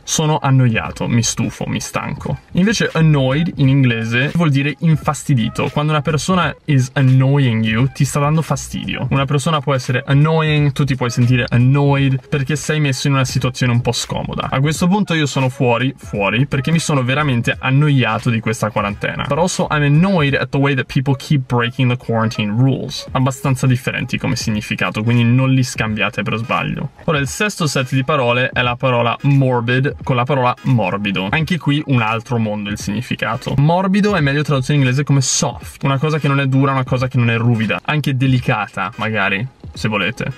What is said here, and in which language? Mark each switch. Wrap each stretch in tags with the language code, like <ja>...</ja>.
<it>Sono annoiato, mi stufo, mi stanco. Invece annoyed in inglese vuol dire infastidito. Quando una persona</it> <en>is annoying you,</en> <it>ti sta dando fastidio. Una persona può essere annoying, tu ti puoi sentire annoyed perché sei messo in una situazione un po' scomoda. A questo punto io sono fuori perché mi sono veramente annoiato di questa quarantena. Però</it> <en>so I'm annoyed at the way that people keep breaking the quarantine rules.</en> <it>Abbastanza differenti come significato, quindi non li scambiate per sbaglio. Ora il sesto set di parole è la parola morbid con la parola morbido. Anche qui un altro mondo il significato. Morbido è meglio tradotto in inglese come soft, una cosa che non è dura, una cosa che non è ruvida, anche delicata magari, se volete.</it>